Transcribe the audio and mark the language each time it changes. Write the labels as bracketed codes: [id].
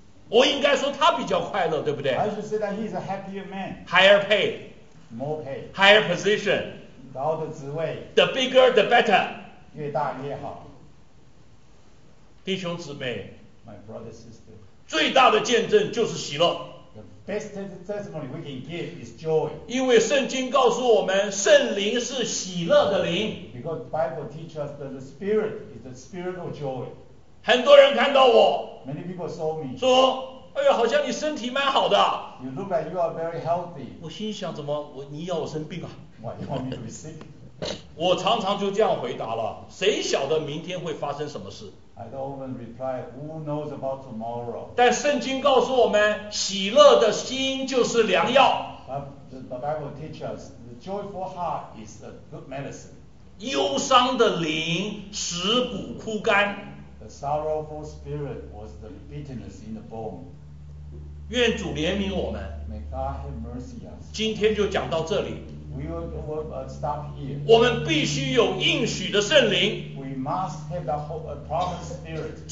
[zh] 我应该说他比较快乐，对不对 [en] ？I should say that he is a happier man. Higher pay. More pay. Higher position. [zh] 高的职位。 [en] The bigger, the better. [zh] 越大越好。弟兄姊妹 [en] ，My brother sister. [zh] 最大的见证就是喜乐。 [en] The best testimony we can give is joy. [zh] 因为圣经告诉我们，圣灵是喜乐的灵。 [en] Because the Bible teaches us that the Spirit is the spirit of joy. [zh] 很多人看到我 [en] Many people saw me. [zh] 说哎呀好像你身体蛮好的 [en] you look like you are very healthy. [zh] 我心想怎么我你要我生病啊 [en] Why, you want me to be sick? [zh] 我常常就这样回答了谁晓得明天会发生什么事 [en] I don't even reply, who knows about tomorrow? [zh] 但圣经告诉我们喜乐的心就是良药 [en] the Bible teaches us the joyful heart is a good medicine [zh] 忧伤的灵使骨枯干 [en] The sorrowful spirit was the bitterness in the bone. [zh] 愿主怜悯我们。 [en] May God have mercy us. [zh] 今天就讲到这里。 [en] We'll stop here. [zh] 我们必须有应许的圣灵。 [en] We must have the hope, a promised spirit.